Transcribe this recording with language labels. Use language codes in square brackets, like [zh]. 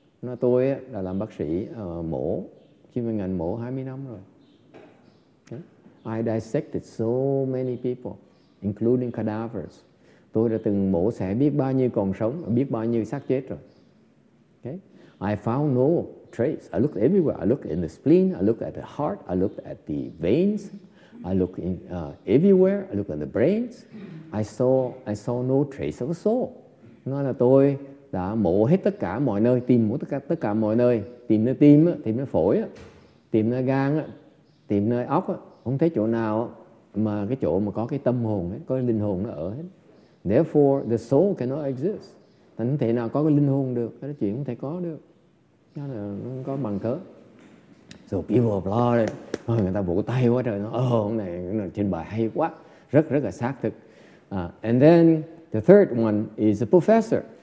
[vi] Nói tôi là làm bác sĩ mổ, chuyên ngành mổ 20 năm rồi. [en] Okay. I dissected so many people, including cadavers. [vi] Tôi đã từng mổ xẻ biết bao nhiêu còn sống, biết bao nhiêu xác chết rồi. [en] Okay. I found no trace. I looked everywhere. I looked in the spleen. I looked at the heart. I looked at the veins. I looked in everywhere. I looked at the brains. I saw no trace of a soul. [vi] Nói là tôi đã mổ hết tất cả mọi nơi, tìm mổ tất cả mọi nơi, tìm nơi tim, tìm nơi phổi, tìm nơi gan, tìm nơi óc, không thấy chỗ nào mà cái chỗ mà có cái tâm hồn, có cái linh hồn nó ở hết. [en] Therefore, the soul cannot exist. [vi] Thành thế nào có cái linh hồn được, cái chuyện không thể có được. Nó là không có bằng cớ. [en] So people applauded. [vi] Người ta vỗ tay quá trời, nó ông này trình bày hay quá, rất rất là xác thực. [en] And then the third one is a professor.